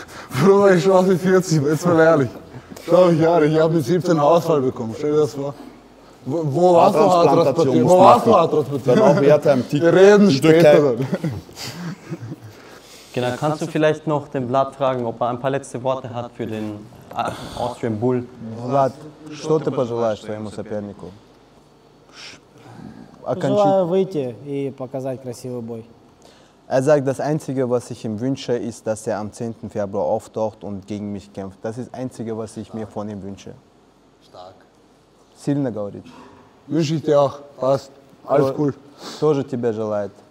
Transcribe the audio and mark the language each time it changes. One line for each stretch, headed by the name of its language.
German: Bruder, ich schaue mit 40, jetzt mal ehrlich. Schau mich an, ich habe mit 17 einen Ausfall bekommen. Stell dir das vor. Wo warst du Haartransplantation? Wo warst du Haartransplantation? Dann auch Wertheim. Wir reden später. Genau, kannst du vielleicht noch den Vlad fragen, ob er ein paar letzte Worte hat für den Austrian Bull?
Russian: Vlad, что ты пожелаешь своему сопернику? выйти и показать красивый бой.
German: Er sagt, das Einzige, was ich ihm wünsche, ist, dass am 10. Februar auftaucht und gegen mich kämpft. Das ist das Einzige, was ich mir von ihm wünsche. Stark.
Russian: Сильно говорит.
German: Wünsche ich dir auch. Passt. Alles cool.
Russian: Тоже тебе желает.